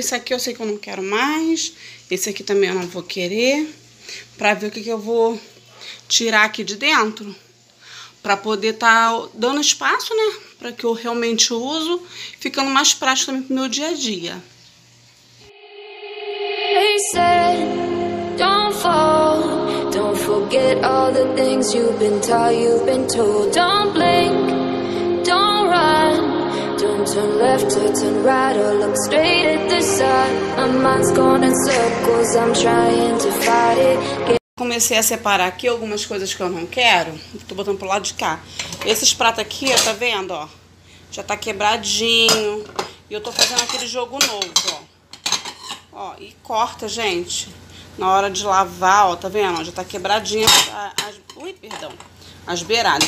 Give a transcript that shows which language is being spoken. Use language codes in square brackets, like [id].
[pt] Isso aqui eu sei que eu não quero mais. Esse aqui também eu não vou querer. Pra ver o que que eu vou tirar aqui de dentro, pra poder tá dando espaço, né, pra que eu realmente uso, ficando mais prático também pro meu dia a dia. [en] He said, don't fall, don't forget all the things you've been told. Don't blink, don't run, don't turn left or turn right or look straight at the sun. My mind's going in circles, I'm trying to fight it. [pt] Comecei a separar aqui algumas coisas que eu não quero. Tô botando pro lado de cá. Esses pratos aqui, ó, tá vendo, ó? Já tá quebradinho. E eu tô fazendo aquele jogo novo, ó. Ó, e corta, gente. Na hora de lavar, ó, tá vendo? Já tá quebradinho. Ui, perdão. As beiradas.